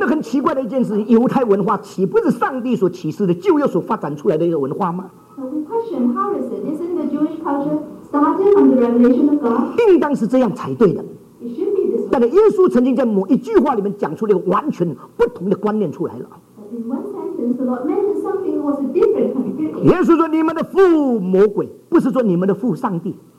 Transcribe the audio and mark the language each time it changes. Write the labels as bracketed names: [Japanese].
[Chinese] 的很奇怪的一件事，犹太文化岂不是上帝所启示的旧约所发展出来的一个文化吗？ [English] So the question, how is it? Isn't the Jewish culture started from the revelation of God? [Chinese] 应当是这样才对的。但是耶稣曾经在某一句话里面讲出了一个完全不同的观念出来了。 [English] But in one sentence, the Lord mentioned something was a different kind of thing. [Chinese] 耶稣说你们的父魔鬼，不是说你们的父上帝。